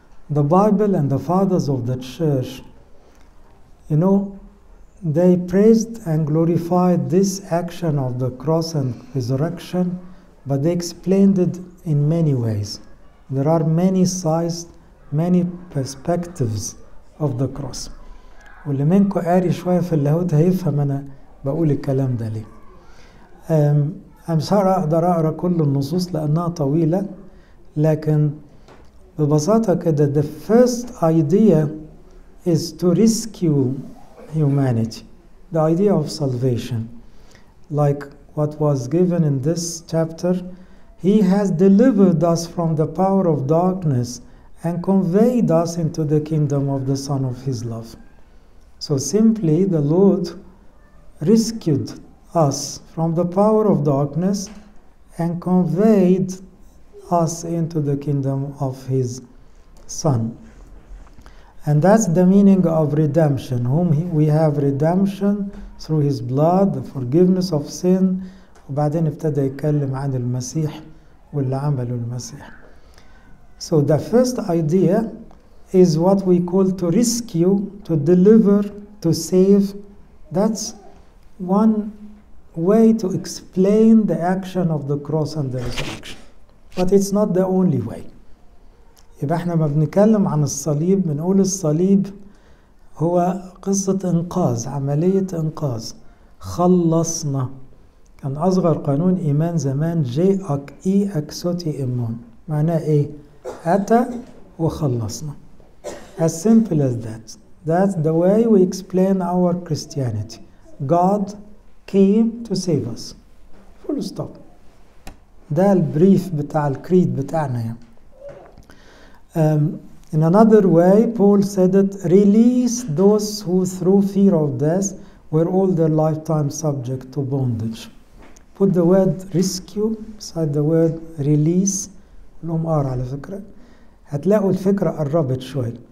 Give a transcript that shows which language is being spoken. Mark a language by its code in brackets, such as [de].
[en] The Bible and the fathers of the church, you know, they praised and glorified this action of the cross and resurrection, but they explained it in many ways. There are many sides, many perspectives of the cross. [ar] واللي منكم قاري شوية في اللاهوت هيفهم أنا بقول الكلام ده ليه. أنا مش هقدر أقرأ كل النصوص لأنها طويلة، لكن ببساطة كده [en] the first idea is to rescue humanity. The idea of salvation, like what was given in this chapter, He has delivered us from the power of darkness and conveyed us into the kingdom of the Son of His love. So simply, the Lord rescued us from the power of darkness and conveyed us into the kingdom of His Son. And that's the meaning of redemption, whom we have redemption through His blood, the forgiveness of sin. [ar] وبعدين ابتدى يتكلم عن المسيح واللي عمله المسيح. [en] So the first idea is what we call to rescue, to deliver, to save. That's one way to explain the action of the cross and the resurrection. But it's not the only way. [ar] يبقى احنا ما بنتكلم عن الصليب، بنقول الصليب هو قصة إنقاذ، عملية إنقاذ. خلصنا. كان أصغر قانون إيمان زمان جي أك إي أكسوتي إيمون، معناه إيه؟ أتى وخلصنا. [en] As simple as that. That's the way we explain our Christianity. God came to save us. Full stop. [ar] ده البريف بتاع الكريد بتاعنا يعني. [en] In another way, Paul said it, release those who through fear of death were all their lifetime subject to bondage. Put the word rescue beside the word release. [ar] لهم آر على فكرة. هتلاقوا الفكرة قربت شوية.